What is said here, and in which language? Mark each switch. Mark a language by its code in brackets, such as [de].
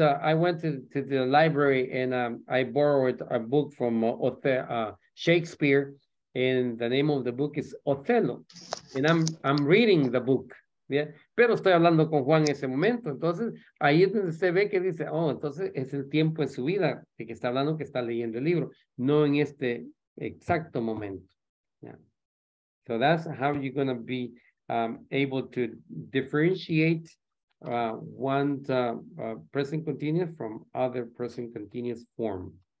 [en] I went to the library and I borrowed a book from Shakespeare, and the name of the book is Othello. And I'm reading the book. Yeah? [es] Pero estoy hablando con Juan en ese momento. Entonces ahí es donde se ve que dice, oh, entonces es el tiempo en su vida de que está hablando, que está leyendo el libro, no en este exacto momento. [en] Yeah. So that's how you're going to be able to differentiate one present continuous from other present continuous form.